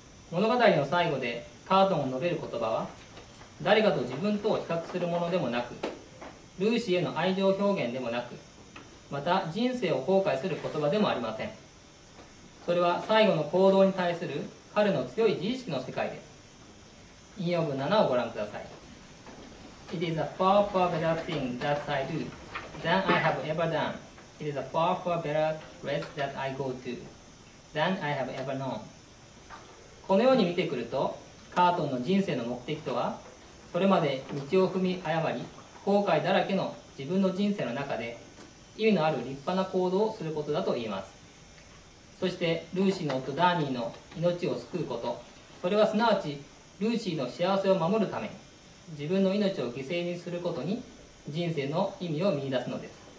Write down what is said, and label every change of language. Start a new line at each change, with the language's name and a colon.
Japanese: 物語の最後でカートンを述べる言葉は、誰かと自分とを比較するものでもなく、ルーシーへの愛情表現でもなく、また人生を後悔する言葉でもありません。それは最後の行動に対する彼の強い自意識の世界です。引用文7をご覧ください。
English: It is a far, far better thing that I do than I have ever done. It is a far, far better place that I go to than I have ever known.
Japanese: このように見てくると、カートンの人生の目的とは、それまで道を踏み誤り、後悔だらけの自分の人生の中で、意味のある立派な行動をすることだと言います。そして、ルーシーの夫ダーニーの命を救うこと、それはすなわち、ルーシーの幸せを守るために、自分の命を犠牲にすることに、人生の意味を見出すのです。